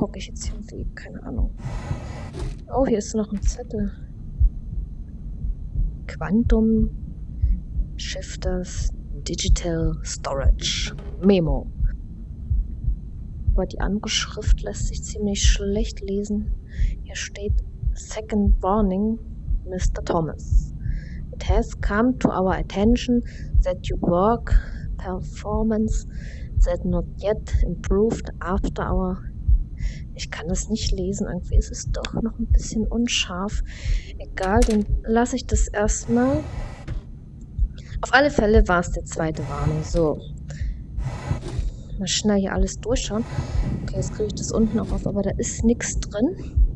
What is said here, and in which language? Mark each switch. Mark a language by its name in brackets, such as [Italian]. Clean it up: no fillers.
[German] Hocke ich jetzt hier irgendwie? Keine Ahnung. Oh, hier ist noch ein Zettel. [English] Quantum Shifters Digital Storage Memo. [German] Aber die andere Schrift lässt sich ziemlich schlecht lesen. Hier steht Second Warning, Mr. Thomas. [English] It has come to our attention that your work performance that not yet improved after our... [German] Ich kann das nicht lesen. Irgendwie ist es doch noch ein bisschen unscharf. Egal, dann lasse ich das erstmal. Auf alle Fälle war es der zweite Warning. So. Mal schnell hier alles durchschauen. Okay, jetzt kriege ich das unten auch auf, aber da ist nichts drin.